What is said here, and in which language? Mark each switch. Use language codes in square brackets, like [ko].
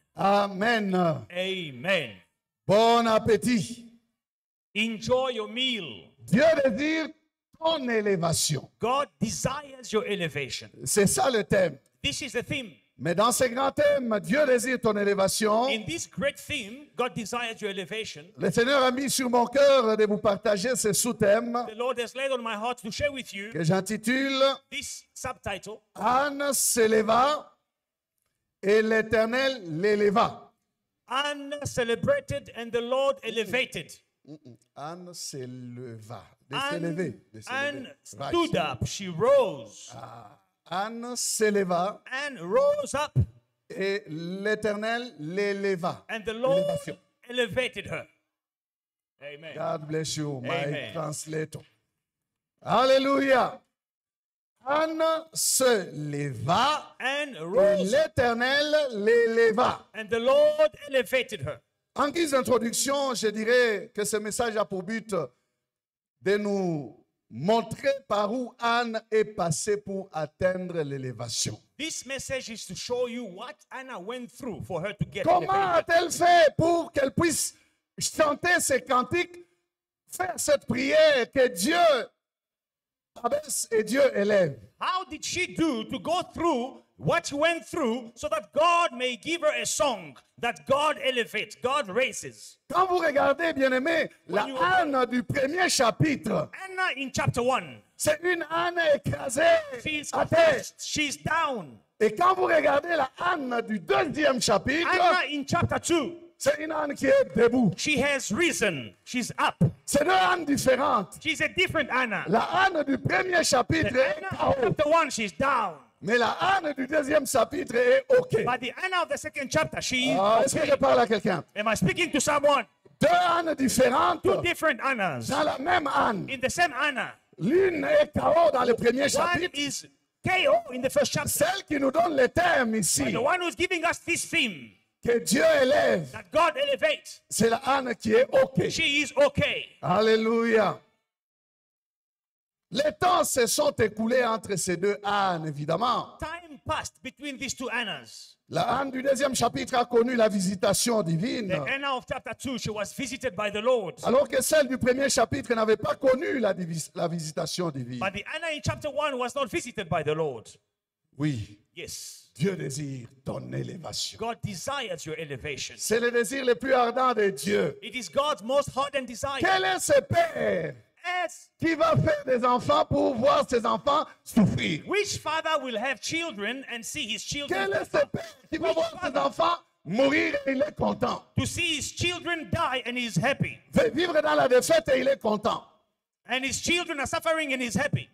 [fr] Amen. Amen. Bon appétit. [en] Enjoy your meal. [fr] Dieu désire ton élévation. [en] God desires your elevation. [fr] C'est ça le thème. [en] This is the theme. [fr] Mais dans ce grand thème, Dieu désire ton élévation. [en] In this great theme, God desires your elevation. [fr] Le Seigneur a mis sur mon cœur de vous partager ce sous-thème. [en] The Lord has laid on my heart to share with you. [fr] Que j'intitule. [en] This subtitle. [fr] Anne s'éleva. Et l'Éternel l'éleva. [en] Anne celebrated and the Lord elevated. [fr] Anne s'éleva. S'élever. [en] Anne stood up. She rose. [fr] Ah. Anne s'éleva. [en] Anne rose up. [fr] Et l'Éternel l'éleva. [en] And the Lord elevated her. Amen. God bless you, my translator. Alléluia. [fr] Anne se leva [en] and rose. [fr] Et l'Éternel l'éleva. [en] And the Lord elevated her. [fr] En guise d'introduction, je dirais que ce message a pour but de nous montrer par où Anne est passée pour atteindre l'élévation. [en] This message is to show you what Anna went through for her to get. [fr] Comment [en] elevated. [fr] A-t-elle fait pour qu'elle puisse chanter ces cantiques, faire cette prière que Dieu et Dieu élève. [en] How did she do to go through what she went through so that God may give her a song that God elevates, God raises? [fr] Quand vous regardez, bien-aimé, la Anne du premier chapitre, [en] Anna in chapter 1, [fr] c'est une Anne écrasée à terre. [en] She's down. [fr] Et quand vous regardez la Anne du deuxième chapitre, [en] Anna in chapter 2, [fr] c'est une Anne qui est debout. [en] She has risen. She's up. [fr] C'est une Anne différente. [en] She's a different Anna. [fr] La Anne du premier chapitre [en] est chapter 1, she's down. [fr] Mais la Anne du deuxième chapitre est OK. [en] But the Anna of the second chapter, she is [fr] okay. Est-ce que je parle à quelqu'un? [en] Am I speaking to someone? [fr] Deux Anne différentes. [en] Two different Annas. [fr] Dans la même Anne. [en] In the same Anna. [fr] L'une est KO dans le premier chapitre. [en] One is KO in the first chapter. [fr] Celle qui nous donne le thème ici. [en] But the one who's giving us this theme. [fr] Que Dieu élève. [en] That God elevates. [fr] C'est la Anne qui est OK. [en] She is OK. Alléluia. [fr] Les temps se sont écoulés entre ces deux ânes, évidemment. [en] Time passed between these two Annas. [fr] La âne du deuxième chapitre a connu la visitation divine. [en] The Anna of chapter 2, she was visited by the Lord. [fr] Alors que celle du premier chapitre n'avait pas connu la visitation divine. [en] But the Anna in chapter 1 was not visited by the Lord. [fr] Oui. [en] Yes. [fr] Dieu désire ton élévation. [en] God desires your elevation. [fr] C'est le désir le plus ardent de Dieu. [en] It is God's most ardent desire. [fr] Quel est ce Père? [en] Yes. [fr] Qui va faire des enfants pour voir ses enfants souffrir? [en] Which father will have children and see his children? [fr] Quel est ce père qui va voir ses enfants mourir et il est content? [en] To see his children die and he's happy. [fr] Veut vivre dans la défaite et il est content. [en] And his children are suffering and he's happy.